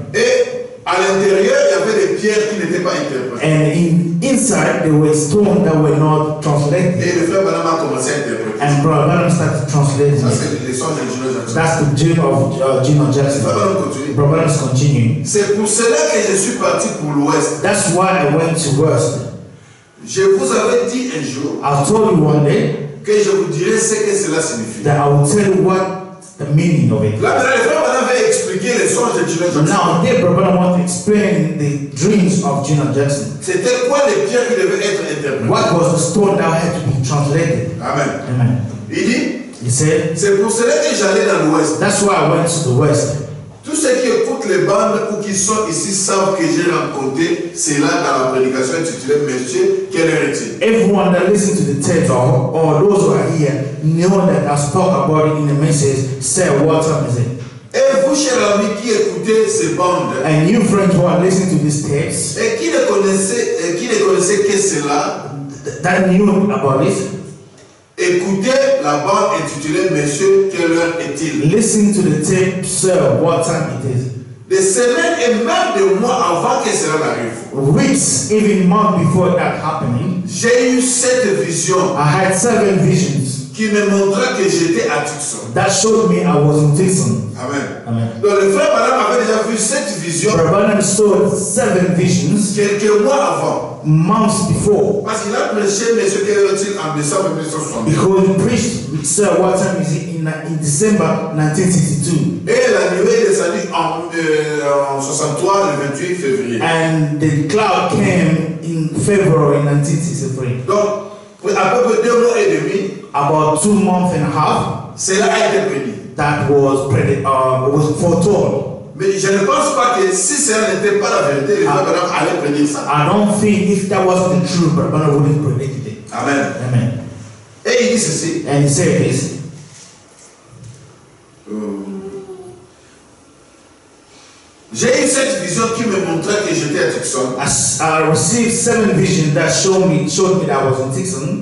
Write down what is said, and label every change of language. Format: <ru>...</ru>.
<fr>Et à l'intérieur, il y avait des pierres qui n'étaient pas interprétées.</fr> <en>And inside, there were stones that were not translated.</en> <fr>Et le frère Branham a commencé à interpréter.</fr> <en>And Brother Branham started translating.</en> <fr>Ça, c'est les songes de Gino Jackson.</fr> <en>That's the dream of Gino Jackson.</en> <fr>Frère Branham continue.</fr> <en>Brother Branham is continuing.</en> <fr>C'est pour cela que je suis parti pour l'Ouest.</fr> <en>That's why I went to West.</en> <fr>Je vous avais dit un jour.</fr> <en>I told you one day.</en> <fr>Que je vous dirai ce que cela signifie.</fr> <en>That I will tell you what the meaning of it.</en> <fr>Là, le frère Branham avait expliqué les songes de Gino Jackson.</fr> <en>Now, there, Brother Branham wants to explain the dreams of Gino Jackson.</en> <fr>C'était quoi les pierres qui devaient être interprétées?</fr> <en>What was the stone that had to be translated?</en> <fr>Amen.</fr> <en>Amen.</en> <fr>Il dit.</fr> <en>He said.</en> <fr>C'est pour cela que j'allais dans l'Ouest.</fr> <en>That's why I went to the West.</en> <fr>Tous ceux qui écoutent les bandes ou qui sont ici savent que j'ai rencontré cela dans la prédication intitulée Monsieur, quel est-il?</fr> <en>Everyone that listens to the text or those who are here know that I spoke about it in the message, say what time is it?</en> <fr>Et vous, chers amis qui écoutez ces bandes,</fr> <en>and you friends who are listening to this text,</en> <fr>et qui ne connaissez que cela,</fr> <en>that knew about this.</en> <fr>Écoutez la bande intitulée Monsieur, quelle heure est-il?</fr> <en>Listen to the tape, sir, what time it is.</en> <fr>Des semaines et même des mois avant que cela n'arrive.</fr> <en>Weeks, even months before that happening.</en> <fr>J'ai eu cette vision.</fr> <en>I had seven visions.</en> <fr>Qui me montrait que j'étais à Tucson.</fr> <en>That showed me I was in Tucson.</en> <fr>Amen.</fr> <en>Amen.</en> <fr>Donc le frère Branham avait déjà vu cette vision.</fr> <en>Brother Branham saw seven visions.</en> <fr>Quelques mois avant.</fr> <en>Months before.</en> <fr>Parce qu'il a prêché Monsieur quelle heure est-il en décembre 1962.</fr> <en>Because he preached, sir, what time is it in December 1962.</en> <fr>Et la nuée est descendue en 63, le 28 février.</fr> <en>And the cloud came in February 1963.</en> <fr>Donc, à peu près deux mois et demi.</fr> <en>About 2 months and a half.</en> <fr>Cela a été prédit.</fr> <en>That was prédit, was foretold.</en> <fr>Mais je ne pense pas que si cela n'était pas la vérité, le frère Branham allait prédire ça.</fr> <en>I don't think if that was the truth, Brother Branham would have predicted it.</en> <fr>Amen.</fr> <en>Amen.</en> <fr>Et il dit ceci.</fr> <en>And he said this.</en> <fr>J'ai eu cette vision. vision qui me montrait que j'étais à Tucson.</fr> <en>I received seven visions that showed me that I was in Tucson.</en>